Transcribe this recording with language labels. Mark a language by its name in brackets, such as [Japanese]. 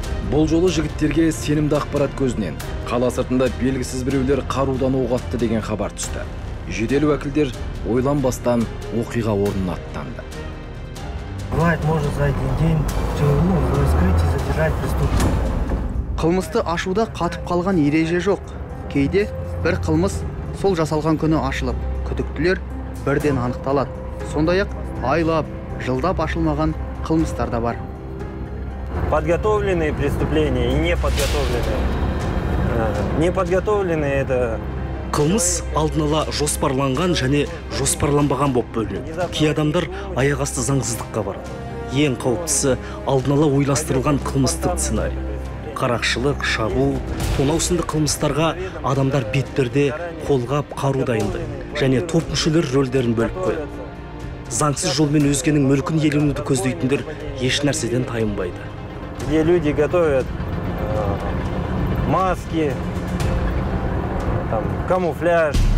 [Kazakh] Бұл жолы жігіттерге сенімді ақпарат көзінен қала сыртында белгісіз біреулер қарудан оғатты деген хабар түсті. Жедел уәкілдер ойланбастан оқиға орнына аттанды. [Russian] Бывает, можно за один день раскрыть и задержать преступника. [Kazakh] Қылмысты ашуда қатып қалған ереже жоқ. Кейде бір қылмыс сол жасалған күні ашылып, күдіктілер бірден анықталады. Сондай-ақ айлап, жылдап ашылмаған қылмыстар да бар. [Russian] Подготовленные преступления и неподготовленные. неподготовленные это. [Kazakh] Кылмыс алдын ала жоспарланган және жоспарланбаған боп бөлінеді. Кей адамдар аяқ асты заңсыздыққа барады. Ең қауіптісі алдын ала ойластырылған қылмыстық сценарий. Қарақшылық, шабуыл, тонау сынды қылмыстарға адамдар бетперде қолғап қару дайындайды және топ мүшелері рөлдерін бөліп қояды. Заңсыз жолмен өзгенің мүлкін иеленуді көздейтіндер еш нәрседен тайынбайды. [Russian] Люди готовят маски, там, камуфляж.